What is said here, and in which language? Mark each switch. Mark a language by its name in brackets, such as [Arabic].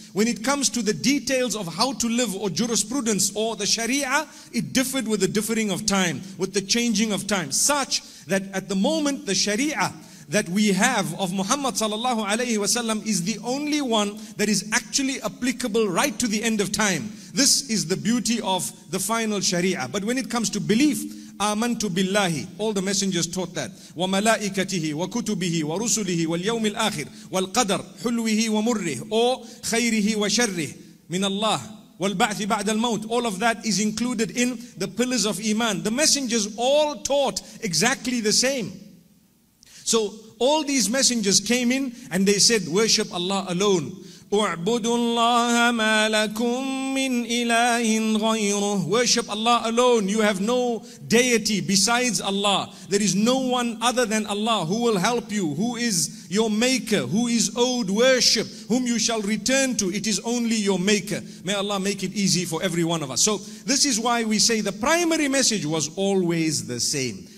[English] When it comes to the details of how to live or jurisprudence or the sharia, it differed with the differing of time, with the changing of time, such that at the moment the sharia that we have of Muhammad sallallahu alayhi wa sallam is the only one that is actually applicable right to the end of time. This is the beauty of the final sharia. But when it comes to belief, آمنت بالله, all the messengers taught that, [Arabic] وملائكته وكتبه ورسله واليوم الآخر والقدر حلوه ومره أو خيره وشره من الله والبعث بعد الموت. [English] All of that is included in the pillars of Iman. The messengers all taught exactly the same. So all these messengers came in and they said, worship Allah alone. [Arabic] اعبدوا الله ما لكم من إله غيره. [English] Worship Allah alone. You have no deity besides Allah. There is no one other than Allah who will help you, who is your maker, who is owed worship, whom you shall return to. It is only your maker. May Allah make it easy for every one of us. So this is why we say the primary message was always the same.